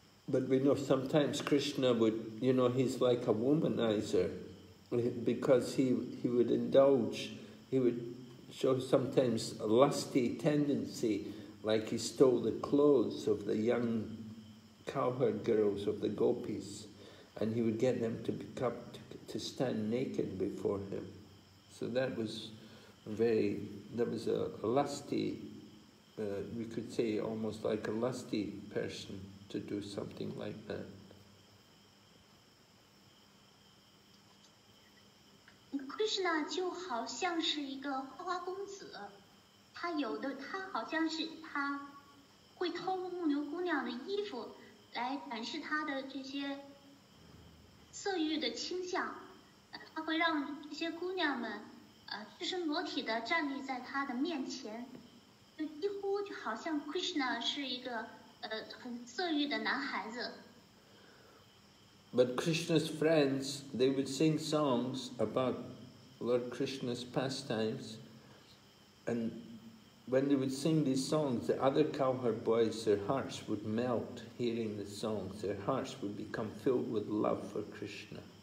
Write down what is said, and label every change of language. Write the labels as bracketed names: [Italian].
[English] But we know sometimes Krishna would, you know, he's like a womanizer, because he would indulge, he would show sometimes a lusty tendency, like he stole the clothes of the young cowherd girls of the gopis, and he would get them to become to stand naked before him. So that was a lusty, we could say almost like a lusty person to do something like that. [Chinese] Krishna 就好像是一个花花公子，他好像是他会偷牧牛姑娘的衣服来展示他的这些色欲的倾向，他会让这些姑娘们赤身裸体的站立在他的面前，就几乎就好像 Krishna 是一个很色欲的男孩子。 [English] But Krishna's friends, they would sing songs about Lord Krishna's pastimes, and when they would sing these songs, the other cowherd boys, their hearts would melt hearing the songs. Their hearts would become filled with love for Krishna.